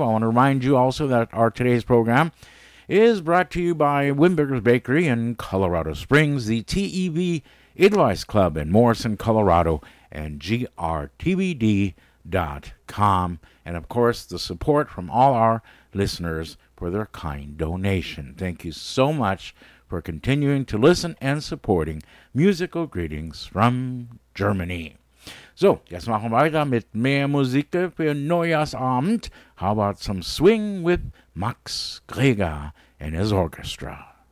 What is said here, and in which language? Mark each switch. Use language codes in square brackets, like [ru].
[en] I want to remind you also that our today's program is brought to you by Wimberger's Bakery in Colorado Springs, the TEV Edelweiss Club in Morrison, Colorado, and grtvd.com. And, of course, the support from all our listeners for their kind donation. Thank you so much for continuing to listen and supporting Musical Greetings from Germany. [de] So, jetzt machen wir weiter mit mehr Musik für Neujahrsabend. [en] How about some swing with Max Greger and his orchestra?